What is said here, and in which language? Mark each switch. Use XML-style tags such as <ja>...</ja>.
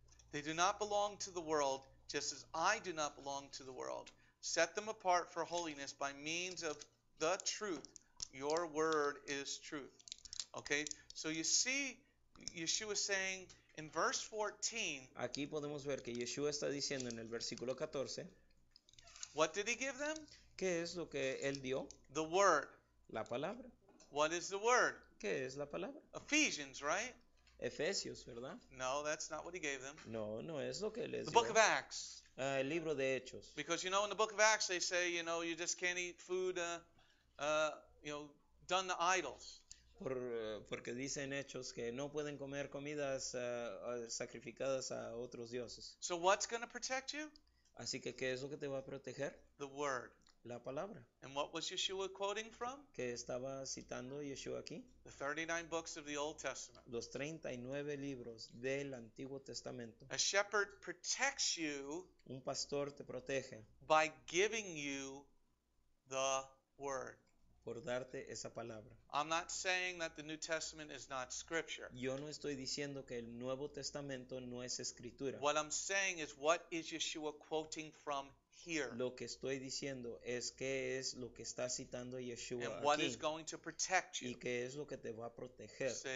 <en>They do not belong to the world, just as I do not belong to the world. Set them apart for holiness by means of the truth. Your word is truth. Okay, so you see Yeshua saying in verse 14.</en> <es>Aquí podemos ver que Yeshua está diciendo en el versículo 14.</es> <en>What did he give them?</en> <es>¿Qué es lo que él dio?</es> <en>The word.</en> <es>La palabra.</es> <en>What is the word?</en> <es>¿Qué es la palabra?</es> <en>Ephesians, right?</en> <es>Efesios, ¿verdad?</es> <en>No, that's not what he gave them.</en> <es>No, no es lo que les dio.</es> <en>The book of Acts.</en> <es>El libro de Hechos.</es> <en>Because you know in the book of Acts they say, you know, you just can't eat food, you know, done the idols.</en> <es>Porque dicen Hechos que no pueden comer comidas sacrificadas a otros dioses.</es> <en>So what's going to protect you?</en> <es>Así que, ¿qué es lo que te va a proteger?</es> <en>The word.</en> <es>La palabra.</es> <en>And what was Yeshua quoting from?</en> <es>¿Qué estaba citando Yeshua aquí?</es> <en>The 39 books of the Old Testament.</en> <es>Los 39 libros del Antiguo Testamento.</es> <en>A shepherd protects you.</en> <es>Un pastor te protege.</es> <en>By giving you the word.</en> <es>Por darte esa palabra.</es> <en>I'm not saying that the New Testament is not scripture.</en> <es>Yo no estoy diciendo que el Nuevo Testamento no es escritura.</es> <en>What I'm saying is, what is Yeshua quoting from? Here.</en> <es>Lo que estoy diciendo es qué es lo que está citando Yeshua</es> <en>and</en> <es>aquí.</es> <en>What is going to protect you.</en> <es>Y qué es lo que te va a proteger.</es>